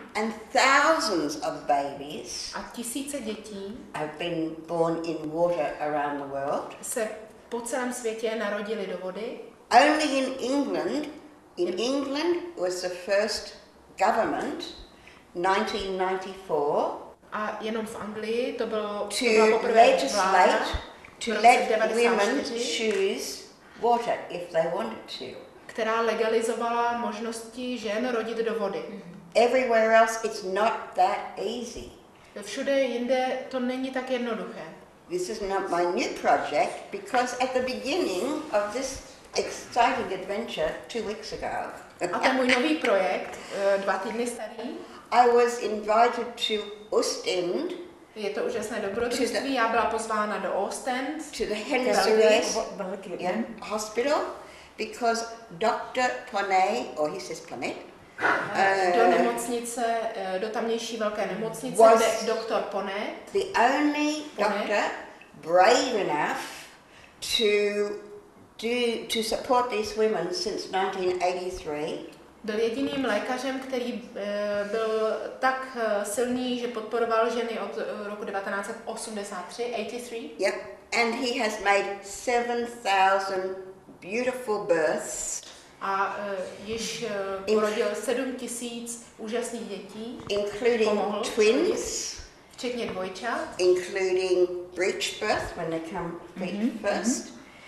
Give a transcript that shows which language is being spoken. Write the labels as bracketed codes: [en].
[en] And thousands of babies. [cs] A tisíce dětí. [en] Have been born in water around the world. [cs] Se po celém světě narodili do vody. [en] Only in England. In England was the first government, 1994. [cs] A jenom v Anglii to byla poprvé vláda, která [en] let women choose water if they wanted to. [cs] Která legalizovala možnosti žen rodit do vody. [en] Everywhere else it's not that easy. [cs] Všude jinde to není tak jednoduché. [en] This is not my new project because at the beginning of this exciting adventure 2 weeks ago. [cs] A ten můj nový projekt, 2 týdny starý. [en] I was invited to Ostend. [cs] Je to úžasné dobrodružství. Já byla pozvána do Ostend. [en] To the Henry Hospital. Because Dr. Ponet, or he says Ponet, [cs] do nemocnice, do tamnější velké nemocnice, kde doktor Ponet, [en] the only doctor brave enough to support these women since 1983. [cs] Byl jediným lékařem, který byl tak silný, že podporoval ženy od roku 1983. [en] Yep, and he has made 7,000 beautiful births. [cs] A již porodil 7,000 úžasných dětí. [en] Including twins. [cs] Včetně dvojčat. [en] Including breech birth when they come feet first.